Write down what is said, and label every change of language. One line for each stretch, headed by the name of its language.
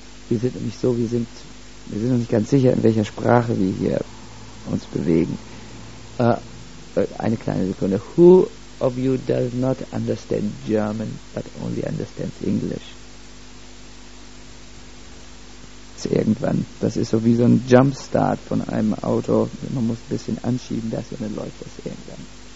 German: Wir sind nämlich so, wir sind noch nicht ganz sicher, in welcher Sprache wir hier uns bewegen. Eine kleine Sekunde.
English: Who of you does not understand German, but only understands English?
German: Ist irgendwann. Das ist so wie so ein Jumpstart von einem Auto. Man muss ein bisschen anschieben, dass dann läuft das irgendwann.